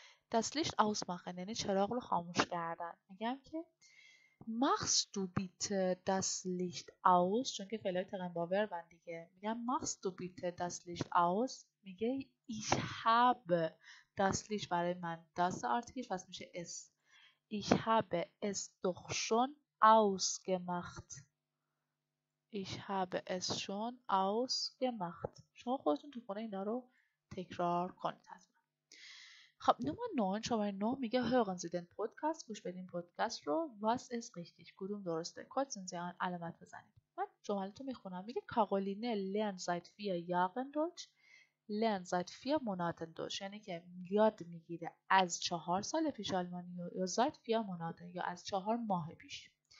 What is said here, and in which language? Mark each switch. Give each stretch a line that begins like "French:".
German: das Licht ausmachen
Persian: یعنی چراغ رو خاموش کردن. میگم که
German: machst du bitte das Licht aus،
Persian: چون که فعل تقنباور بند دیگه. میگم
German: machst du bitte das Licht aus،
Persian: میگه
German: ich habe das Licht
Persian: برای من
German: das
Persian: آرتیکل پس میشه
German: es، ich habe es doch schon ausgemacht، ich habe es schon ausgemacht.
Persian: شما خودتون تو خونه اینا رو تکرار کنید حتما. خب نمبر 9، شماره 9 میگه
German: hören Sie den Podcast،
Persian: گوش بدین پادکست رو،
German: was ist richtig،
Persian: کدوم درسته، کدوم زیان علامت بزنید. من جملتو میخونم، میگه کارولینه
German: lernt seit 4 Jahren Deutsch،
Persian: لرن زد فیه موناتن دوش، یعنی که یاد میگیره از 4 سال پیش آلمانی، یا زد فیه موناتن یا از 4 ماه پیش.